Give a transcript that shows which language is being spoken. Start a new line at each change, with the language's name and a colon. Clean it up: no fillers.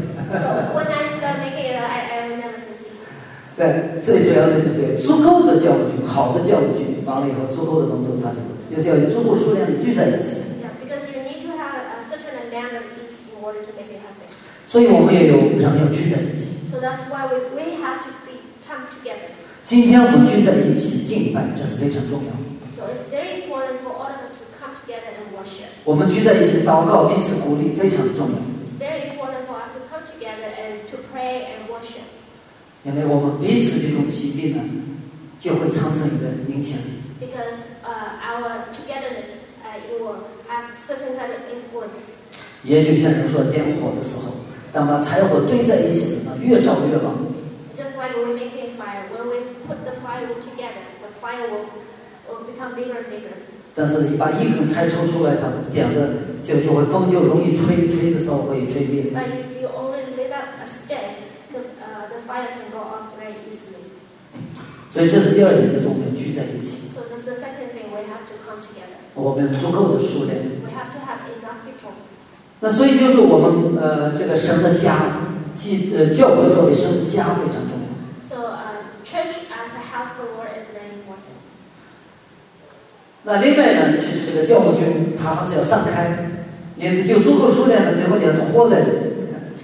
English: When I start making it, I will never succeed.
Chinese: 对，最主要的就是足够的酵母菌，好的酵母菌，完了以后足够的浓度，它就是要有足够数量的聚在一起。
English: Yeah, because you need to have a certain amount of yeast in order to make it happen.
Chinese: 所以我们也有人要聚在一起。
English: So that's why we have to be come together.
Chinese: 今天我们聚在一起敬拜，这是非常重要的。
English: So it's very important for all of us. Worship.
Chinese: 我们聚在一起祷告，彼此鼓励，非常重要。
English: It's very important for us to come together and to pray and worship.
Chinese: 因为我们彼此这种齐力呢，就会产生一个影响力。
English: Because our togetherness, it will have certain kind of influence.
Chinese: 也就像人说点火的时候，当把柴火堆在一起呢，越照越旺。
English: Just like we're making fire, when we put the firewood together, the fire will become bigger and bigger.
Chinese: 但是你把一根柴抽出来，它点的就会风就容易吹，吹的时候会吹灭。
English: But if you only lit up a stick, the fire can go off very easily.
Chinese: 所以这是第二点，就是我们聚在一起。
English: So that's the second thing, we have to come together.
Chinese: 我们足够的数量。
English: We have to have enough people.
Chinese: 那所以就是我们这个神的家，教会作为神的家非常重要。
English: So church as a house for the Lord is very important.
Chinese: 那另外呢，其实这个酵母菌它还是要散开，也就足够数量了，最后你要活在里面。